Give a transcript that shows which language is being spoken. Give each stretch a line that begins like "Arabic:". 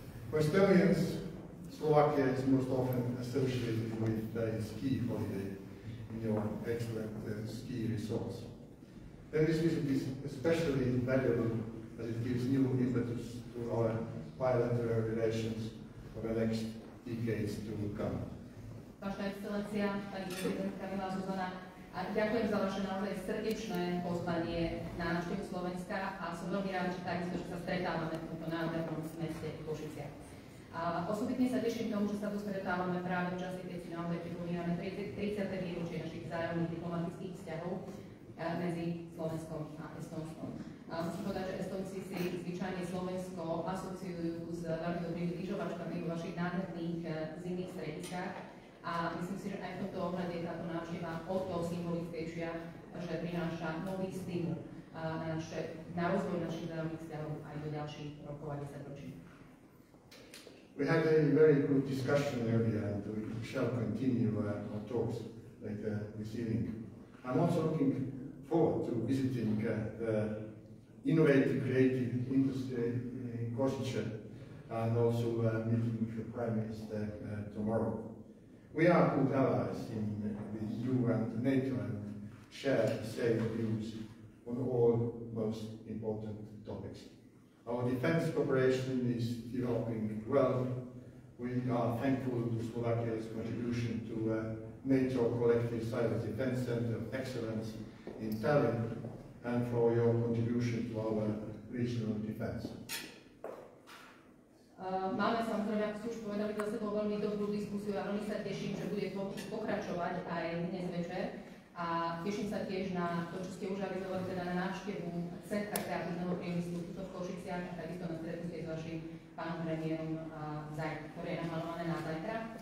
English: For Estonians, Slovakia is most often associated with the ski holiday in your excellent ski resorts. And this visit is especially valuable as it gives new impetus to our bilateral relations for the next decades to come.
Slovak: Vaša excelencia, pani prezidentka Jeho Zuzana, ďakujem za vaše naozaj srdečné pozvanie na návštevu Slovenska a som veľmi rád, že takisto, že sa stretávame v tomto nádhernom meste v Košiciach. Osobitne sa teším tomu, že sa tu stretávame práve v čase, keď si naozaj pripomíname 30. výročie našich vzájomných diplomatických vzťahov medzi Slovenskom a Estónskom. Musím povedať, že Estónci si zvyčajne Slovensko asociujú s veľmi dobrými lyžovačkami vo vašich nádherných zimných strediskách a myslím si, že aj v tomto ohľade je táto návšteva o to symbolickejšia, že prináša nový stimul na rozvoj našich vzájomných vzťahov aj do ďalších rokov a desaťročí.
English: We had a very good discussion earlier and we shall continue our talks later this evening. I'm also looking forward to visiting the innovative, creative industry in Košice and also meeting with the Prime Minister tomorrow. We are good allies in the EU and NATO and share the same views on all most important topics. Our defense cooperation is developing well. We are thankful to Slovakia's contribution to a NATO Collective Cyber Defense Center of Excellence in Tallinn and for your contribution to our regional defense.
Slovak: Máme samozrejme, ako ste už povedali, za sebou veľmi dobrú diskusiu a veľmi sa teším, že bude pokračovať aj dnes večer. A teším sa tiež na to, čo ste už avizovali, teda na návštevu centra kreatívneho priemyslu tuto v Košiciach a takisto na stretnutie s vašim pánom premiérom, ktoré je naplánované na zajtra.